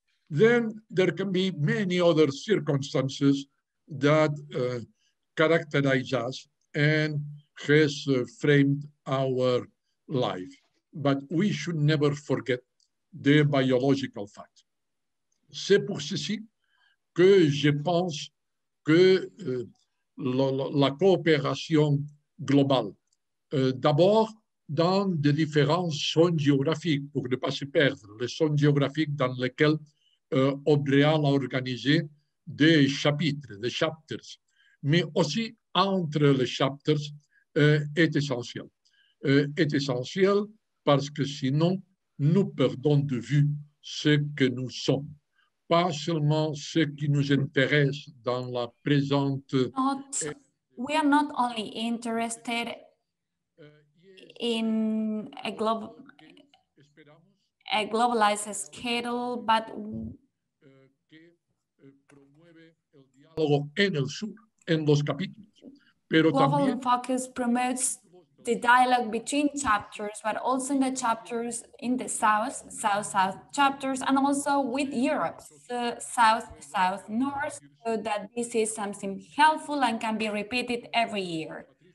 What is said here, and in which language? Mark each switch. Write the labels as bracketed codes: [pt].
[en] Then there can be many other circumstances that characterize us and has framed our life. But we should never forget the biological fact. [fr] C'est pour ceci que je pense que la coopération globale, d'abord dans des différentes zones géographiques, pour ne pas se perdre, les zones géographiques dans lesquelles OBREAL a organisé des chapters, mais aussi entre les chapters est essentiel. Est essentiel parce que sinon, nous perdons de vue ce que nous sommes. pas seulement ce qui nous intéresse dans la présente... [en] We are not only interested in a globalized schedule, but [es] que promueve el diálogo en el sur, en los capítulos, pero [en] Global [es] también [en] focus promotes the dialogue between chapters, but also in the chapters in the south-south chapters, and also with Europe, so south-south-north, so that this is something helpful and can be repeated every year.